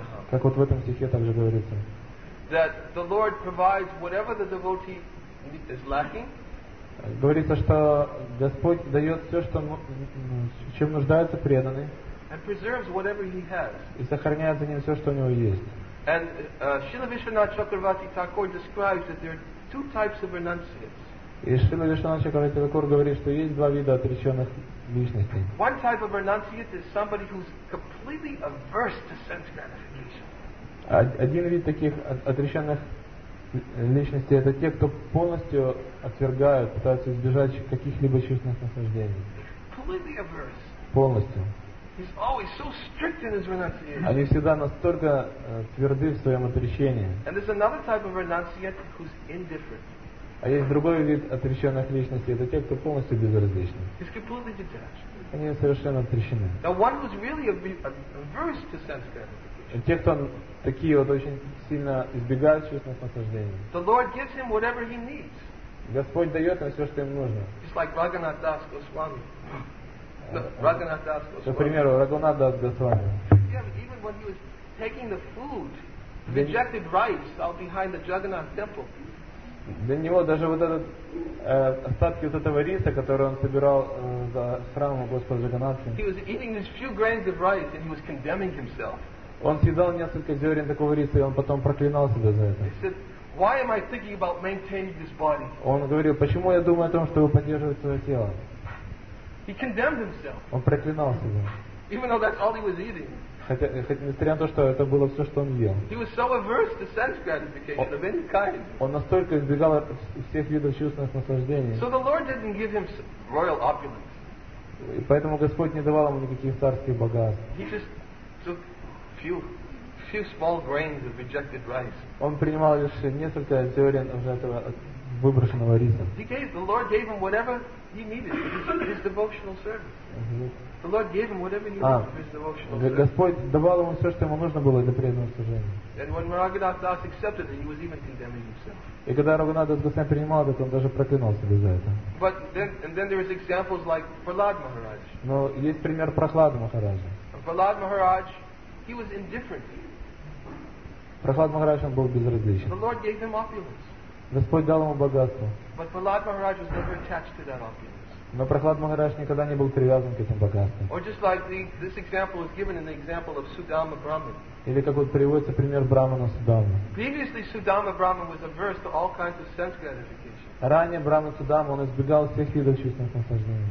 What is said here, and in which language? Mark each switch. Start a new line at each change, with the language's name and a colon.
Russian: Как вот в этом стихе также говорится.
English: That the Lord provides whatever the devotee is lacking.
Russian: Говорится, что Господь дает все, что чем нуждается преданный.
English: And preserves whatever he has.
Russian: И сохраняет за ним все, что у него есть.
English: And Srila Vishwanath Chakravarti Thakur describes that there are two types of renunciates.
Russian: И Srila Vishwanath Chakravarti Thakur говорит, что есть два вида отреченных личностей.
English: One type of renunciate is somebody who's completely averse to sense gratification.
Russian: Один вид таких отреченных личностей — это те, кто полностью отвергают, пытаются избежать каких-либо чувственных наслаждений.
English: Completely averse.
Russian: Полностью.
English: He's always so strict in his renunciation.
Russian: Они всегда настолько тверды в своем отречении.
English: And there's another type of renunciate who's indifferent.
Russian: А есть другой вид отреченных личностей — это те, кто полностью безразличны.
English: He's completely detached.
Russian: Они совершенно отречены.
English: The one who's really averse to sense gratification.
Russian: Те, кто такие вот очень сильно избегают чувственных наслаждений.
English: The Lord gives him whatever he needs.
Russian: Господь дает им все, что им нужно.
English: Just like Raghunath Das Goswami.
Russian: К примеру, Рагунат Дас Госвами.
English: Even when he was taking the food, rejected rice out behind the Jagannath temple.
Russian: Для него даже вот этот остатки вот этого риса, который он собирал за храмом Господа Джаганнатхи.
English: He was eating these few grains of rice and he was condemning himself.
Russian: Он съедал несколько зерен такого риса, и он потом проклинал себя за это.
English: Why am I thinking about maintaining this body?
Russian: Он говорил, почему я думаю о том, чтобы поддерживать свое тело?
English: He condemned himself.
Russian: Он проклинал себя.
English: Even though that's all he was eating.
Russian: Хотя, несмотря на то, что это было все, что он ел.
English: He was so averse to sense gratification of any kind.
Russian: Он настолько избегал всех видов чувственных наслаждений.
English: So the Lord didn't give him royal opulence.
Russian: И поэтому Господь не давал ему никаких царских богатств.
English: He just took few small grains of rejected rice.
Russian: Он принимал лишь несколько зерен уже этого выброшенного риса.
English: The Lord gave him whatever he needed for his devotional service. Mm-hmm. The Lord gave him whatever he needed for his devotional service.
Russian: Господь давал ему все, что ему нужно было для преданного служения.
English: And when Raghunath Das accepted it, he was even condemning himself.
Russian: И когда Рагунат Дас Госвами принимал это, он даже проклинал себя за это.
English: But then there is examples like Prahlad Maharaj.
Russian: Но есть пример Прохлады Махараджа.
English: Of Prahlad Maharaj, he was indifferent.
Russian: Prahlad Maharaj, он был безразличен.
English: The Lord gave him opulence.
Russian: Господь дал ему богатство.
English: But Prahlad Maharaj was never attached to that opulence.
Russian: Но Прахлад Махарадж никогда не был привязан к этим богатствам.
English: Or just like this example is given in the example of Sudama Brahman.
Russian: Или как вот приводится пример Брахмана Судамы.
English: Previously, Sudama Brahman was averse to all kinds of sense gratification.
Russian: Ранее Брахман Судама, он избегал всех видов чувственных наслаждений.